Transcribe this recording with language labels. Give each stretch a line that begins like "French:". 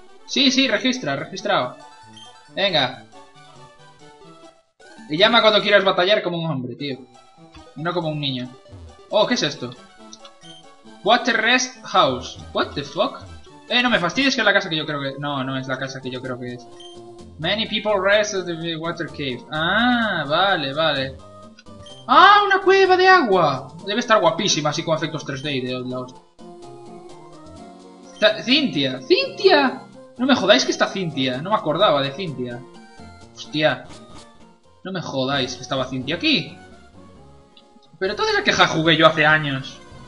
Spanish: Sí, sí, registra, registrado. Venga. Y llama cuando quieras batallar como un hombre, tío. Y no como un niño. Oh, ¿qué es esto? Water Rest House.
English: What the fuck?
Spanish: No me fastidies, que es la casa que yo creo que... No, no es la casa que yo creo que es.
English: Many people rest at the water cave.
Spanish: Ah, vale, vale. ¡Ah, una cueva de agua! Debe estar guapísima, así con efectos 3D y de los... ¡Cintia! ¡Cintia! No me jodáis que está Cintia. No me acordaba de Cintia. Hostia. No me jodáis que estaba Cintia aquí. Pero toda esa queja jugué yo hace años.